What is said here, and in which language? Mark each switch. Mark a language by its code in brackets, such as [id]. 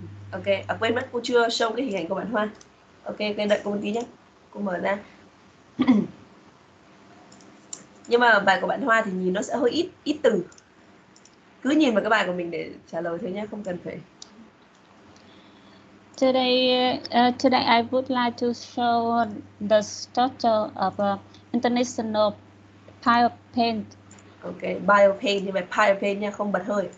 [vi] Ok, à, quên mất cô chưa show cái hình ảnh của bạn Hoa. Ok, quên đợi cô một tí nhé. Cô mở ra. Nhưng mà bài của bạn Hoa thì nhìn nó sẽ hơi ít ít từ. Cứ nhìn vào cái bài của mình để trả lời thôi nhé, không cần phải. [en] Today I would like to show the structure of international pile paint. [vi] Okay, bio paint, nhưng mà pile paint nha, không bật hơi.